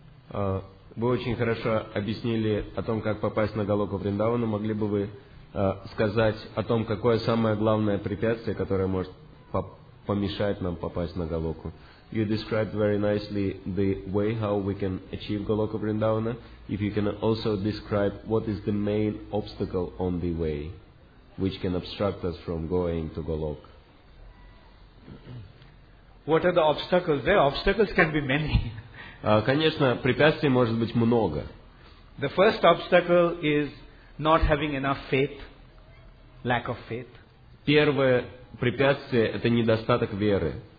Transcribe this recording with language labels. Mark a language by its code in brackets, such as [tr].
[ru] Вы очень хорошо объяснили о том, как попасть на Голоку Вриндавана. Могли бы вы сказать о том, какое самое главное препятствие, которое может помешать нам попасть на Голоку? [en] You described very nicely the way how we can achieve Goloka Vrindavana. If you can also describe what is the main obstacle on the way, which can obstruct us from going to Golok. What are the obstacles? The obstacles can be many. [ru] Конечно, препятствий может быть много. [en] The first obstacle is not having enough faith, lack of faith. [ru] Первое препятствие – это недостаток веры.